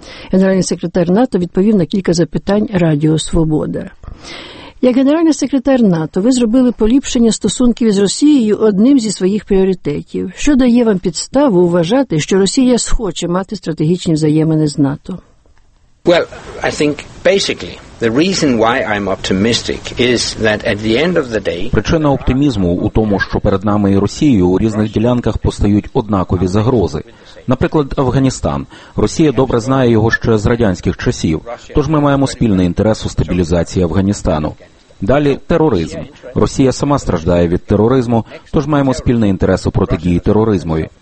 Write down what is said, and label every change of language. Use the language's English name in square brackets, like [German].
[Ukrainian] Генеральний секретар НАТО відповів на кілька запитань Радіо Свобода. Як генеральний секретар НАТО, ви зробили поліпшення стосунків із Росією одним зі своїх пріоритетів. Що дає вам підставу вважати, що Росія схоче мати стратегічні взаємини з НАТО? [English] Well, I think basically the reason why I'm optimistic is that at the end of the day, [Ukrainian] причина оптимізму у тому, що перед нами і Росією у різних ділянках постають однакові загрози. Наприклад, Афганістан. Росія добре знає його ще з радянських часів. Тож ми маємо спільний інтерес у стабілізації Афганістану. Далі тероризм. Росія сама страждає від тероризму, тож маємо спільний інтерес у протидії тероризмові.